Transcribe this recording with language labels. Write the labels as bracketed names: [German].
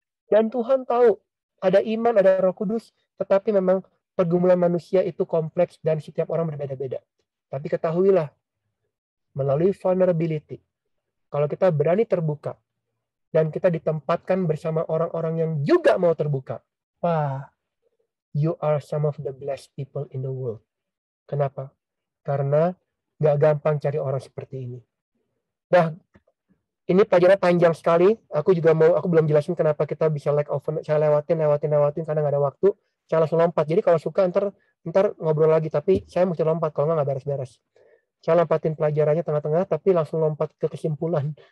[Indonesian] Dan Tuhan tahu, ada iman, ada Roh Kudus, tetapi memang pergumulan manusia itu kompleks dan setiap orang berbeda-beda. Tapi ketahuilah, melalui vulnerability, kalau kita berani terbuka, dan kita ditempatkan bersama orang-orang yang juga mau terbuka. [English] Wah, you are some of the blessed people in the world. [Indonesian] Kenapa? Karena gak gampang cari orang seperti ini. Nah, ini pelajaran panjang sekali. Aku belum jelasin kenapa kita bisa [English] like oven. [Indonesian] Saya lewatin karena gak ada waktu. Saya langsung lompat. Jadi kalau suka ntar ngobrol lagi. Tapi saya mesti lompat, kalau gak beres-beres. Saya lompatin pelajarannya tengah-tengah, tapi langsung lompat ke kesimpulan.